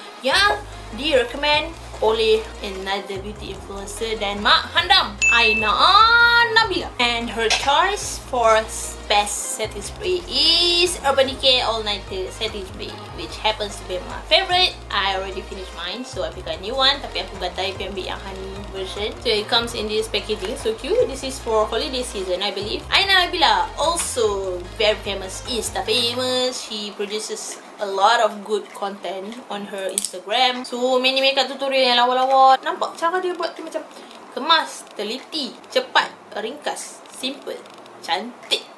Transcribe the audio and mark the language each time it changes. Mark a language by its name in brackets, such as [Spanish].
[Malay] Yang di recommend oleh [English] another beauty influencer [Malay] dan mak handam, Ainaa Nabilla. [English] And her choice for best setting spray is Urban Decay All Night Setting Spray, which happens to be my favorite. I already finished mine, so I pick a new one. [Malay] Tapi aku gatai PMB yang honey version. [English] So it comes in this packaging, so cute. This is for holiday season, I believe. Ainaa Nabilla, also very famous, is the famous. She produces a lot of good content on her Instagram. So many makeup tutorial [Malay] yang lawa-lawa. Nampak cara dia buat tu macam kemas, teliti, cepat, ringkas, simple, cantik.